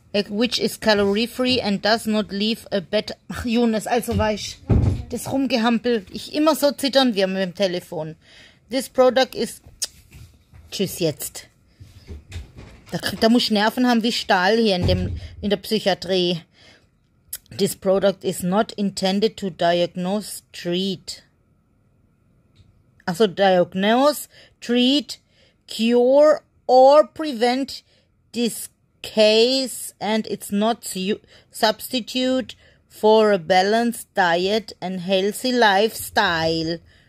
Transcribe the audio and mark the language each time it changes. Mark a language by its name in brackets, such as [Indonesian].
[English] Which is calorie-free and does not leave a bad... [German] Ach, Jonas, also weich. Das rumgehampel. Ich immer so zittern wie mit dem Telefon. [English] This product is... [German] Tschüss jetzt. Da muss ich Nerven haben wie Stahl hier in der Psychiatrie. [English] This product is not intended to diagnose, treat... Also diagnose, treat, cure or prevent this case and it's not substitute for a balanced diet and healthy lifestyle.